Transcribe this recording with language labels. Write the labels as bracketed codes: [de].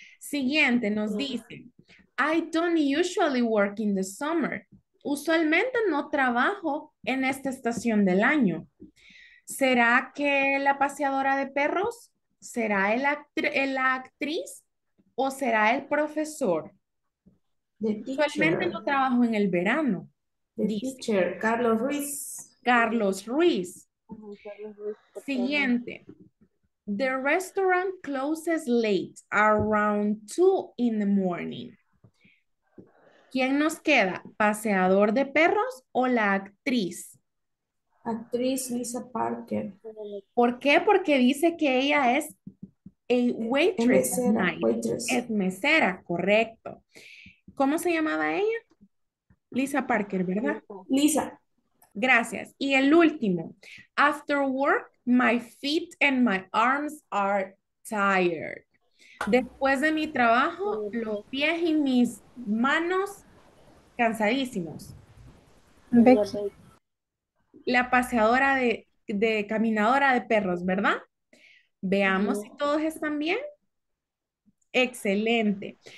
[es] Siguiente, nos dice, [en] I don't usually work in the summer. [es] Usualmente no trabajo en esta estación del año. ¿Será que la paseadora de perros? ¿Será la actriz? ¿O será el profesor? Usualmente no trabajo en el verano. [en] Teacher, Carlos Ruiz. [es] Carlos Ruiz. Carlos Ruiz. Siguiente. [en] The restaurant closes late, around 2 in the morning. [es] ¿Quién nos queda? ¿Paseador de perros o la actriz? Actriz Lisa Parker. ¿Por qué? Porque dice que ella es [en] a waitress. [es] Mesera, [en] at night. [es] Waitress. Es mesera, correcto. ¿Cómo se llamaba ella? Lisa Parker, ¿verdad? Lisa. Gracias. Y el último. [en] After work, my feet and my arms are tired. [es] Después de mi trabajo, los pies y mis manos cansadísimos. Becky. La paseadora de caminadora de perros, ¿verdad? Veamos si todos están bien. Excelente.